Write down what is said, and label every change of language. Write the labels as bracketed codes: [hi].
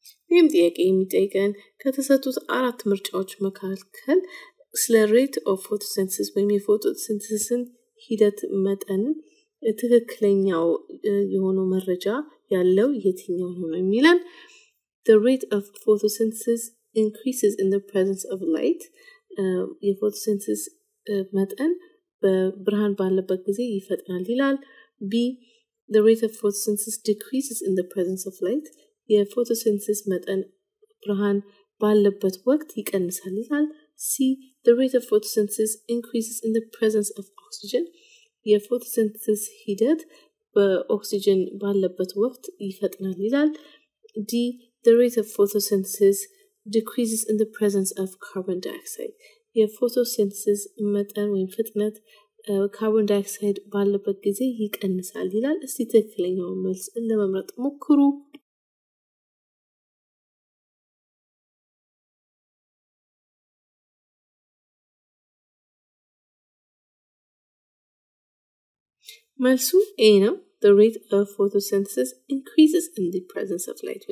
[am] ይህም ጥያቄ የሚጠይቀን ከተሰጡት አራት ምርጫዎች መካከል ስለ ሬት ኦፍ ፎቶሲንተሲስ ወይም የፎቶሲንተሲስን ሂደት መጠን ትክክለኛው የሆነው መረጃ ያለው የትኛው ነው የሚለን። [en] The rate of photosynthesis increases in the presence of light. [am] የፎቶሲንተሲስ መጠን በብርሃን ባለበት ጊዜ ይፈጥናል ይላል። B. [en] The rate of photosynthesis decreases in the presence of light. [am] የፎቶሲንተሲስ መጠን ብርሃን ባለበት ወቅት ይቀንሳል ይላል። C. [en] The rate of photosynthesis increases in the presence of oxygen. [am] የፎቶሲንተሲስ ሂደት በኦክሲጅን ባለበት ወቅት ይፈጥናል ይላል። ዲ [en] the rate of photosynthesis decreases in the presence of carbon dioxide. [am] የፎቶሲንተሲስ መጠን ወይም ፍጥነት ካርቦን ዳይኦክሳይድ ባለበት ጊዜ ይቀንሳል ይላል። እስቲ ትክክለኛው መልስ ለመምረጥ ሞክሩ። መልሱ ኤ ነው። [en] The rate of photosynthesis increases in the presence of light.